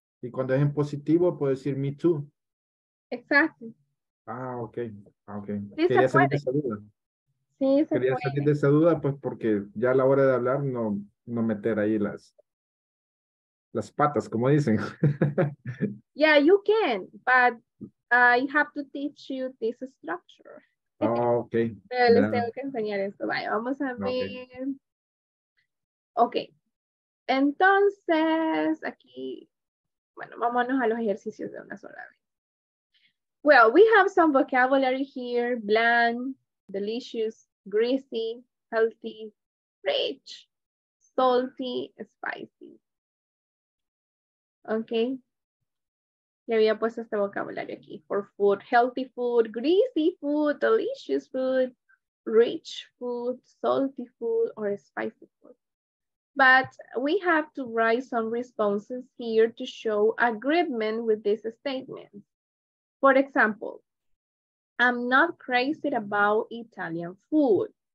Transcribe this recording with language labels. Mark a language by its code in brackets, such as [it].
[es] Y cuando es en positivo, puedo decir [en] me too. [es] Exacto. [en] Ah, ok. Okay. [es] Sí, quería hacer esa duda. Sí, se quería puede. Salir de esa duda, pues, porque ya a la hora de hablar, no meter ahí las patas, como dicen. [en] Yeah, you can, but I have to teach you this structure. Oh, okay. Pero yeah. [es] Les tengo que enseñar esto. Vale, vamos a ver. Okay. Entonces, aquí, bueno, vámonos a los ejercicios de una sola vez. [en] Well, we have some vocabulary here, bland, delicious, greasy, healthy, rich, salty, spicy. Okay. [es] Ya había puesto este vocabulario aquí. [en] For food, healthy food, greasy food, delicious food, rich food, salty food, or spicy food. But we have to write some responses here to show agreement with this statement. For example, I'm not crazy about Italian food.